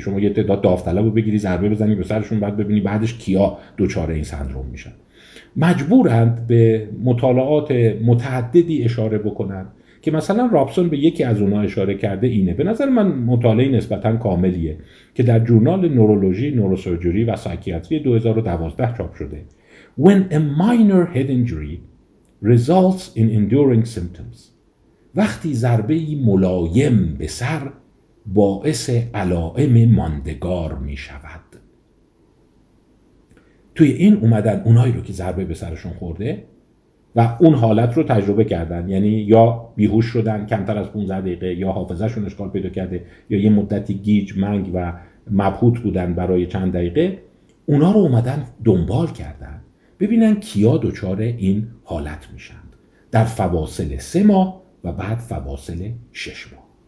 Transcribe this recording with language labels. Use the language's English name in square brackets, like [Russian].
[Persian] شما یه تعداد داوطلبو بگیری ضربه بزنی به سرشون، بعد ببینی بعدش کیا دچار این سندرم میشن. مجبورند به مطالعات متعددی اشاره بکنند که مثلا رابسون به یکی از اونا اشاره کرده. اینه به نظر من مطالعه نسبتاً کاملیه که در جورنال نورولوژی، نوروسرجری و سایکیاتری 2012 چاپ شده. [English] When a minor head injury results in enduring symptoms. [Persian] وقتی ضربه‌ای ملایم به سر باعث علائم ماندگار می شود. توی این اومدن اونایی رو که ضربه به سرشون خورده و اون حالت رو تجربه کردن، یعنی یا بیهوش شدن کمتر از 15 دقیقه، یا حافظه‌شون اشکال پیدا کرده، یا یه مدتی گیج منگ و مبهوت بودن برای چند دقیقه، اونا رو اومدن دنبال کردن ببینن کیا دچار این حالت میشن در فواصل 3 ماه و بعد فواصل 6 ماه.